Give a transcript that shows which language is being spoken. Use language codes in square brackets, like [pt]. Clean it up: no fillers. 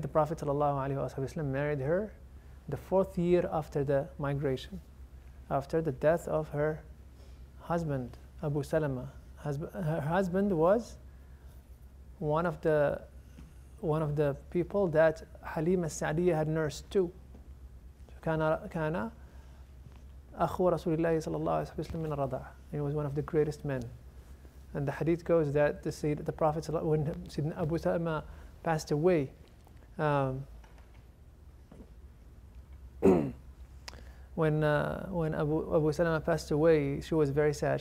[en] The Prophet ﷺ married her the fourth year after the migration, after the death of her husband, Abu Salama. Her husband was one of the people that Halima al-Sa'diyah had nursed too. [ar] Kana أخو رسول الله صلى الله عليه وسلم من الرضاع. [en] He was one of the greatest men. And the hadith goes that the Prophet, when Sayyidina Abu Salama passed away, when Abu Salama passed away, she was very sad.